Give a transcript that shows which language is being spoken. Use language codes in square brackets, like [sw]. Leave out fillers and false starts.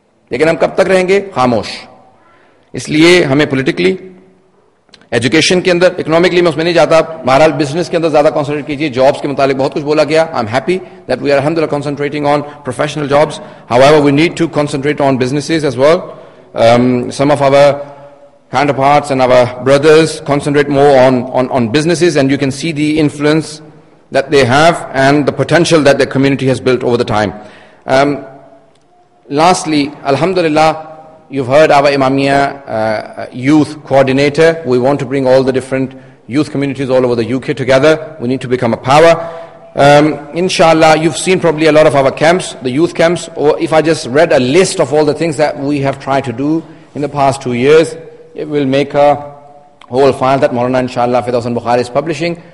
[ur] لیکن ہم کب تک رہیں گے خاموش؟ اس لیے ہمیں پولیٹیکلی, ایجوکیشن کے اندر, اکنامکلی میں اس میں نہیں جاتا, بہرحال بزنس کے اندر زیادہ کانسنٹریٹ کیجیے. [en] Jobs کے متعلق بہت کچھ بولا گیا, I am happy that we are الحمد للہ concentrating on professional jobs, however we need to concentrate on businesses as well. Some of our kind parts and our brothers concentrate more on businesses and you can see the influence that they have and the potential that the community has built over the time. Lastly, alhamdulillah, you've heard our Imamia youth coordinator. We want to bring all the different youth communities all over the UK together. We need to become a power. Inshallah, you've seen probably a lot of our camps, the youth camps. Or if I just read a list of all the things that we have tried to do in the past 2 years, it will make a whole file that Maulana Inshallah Firdaus Bukhari is publishing.